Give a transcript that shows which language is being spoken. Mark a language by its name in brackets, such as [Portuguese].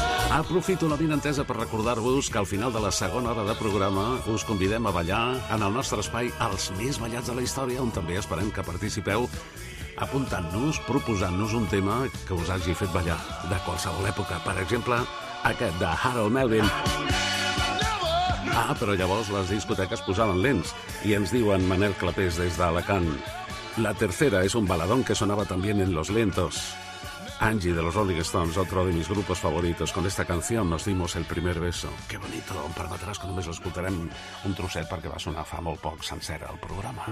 [Catalan] Aprofito la benentesa per recordar-vos que al final de la segona hora de programa us convidem a ballar en el nostre espai Els Més Ballats de la Història, on també esperem que participeu apuntant-nos, proposant-nos un tema que us hagi fet ballar de qualsevol època. Per exemple, aquest de Harold Melvin. Ah, però llavors les discoteques posaven lents i ens diuen Manel Clapés des d'Alacant. La tercera és un baladón que sonava també en Los Lentos. [Spanish] Angie de los Rolling Stones, otro de mis grupos favoritos. Con esta canción nos dimos el primer beso. Qué bonito, [Catalan] un par de atrás que només escoltarem un trosset perquè va sonar fa molt poc sencera el programa.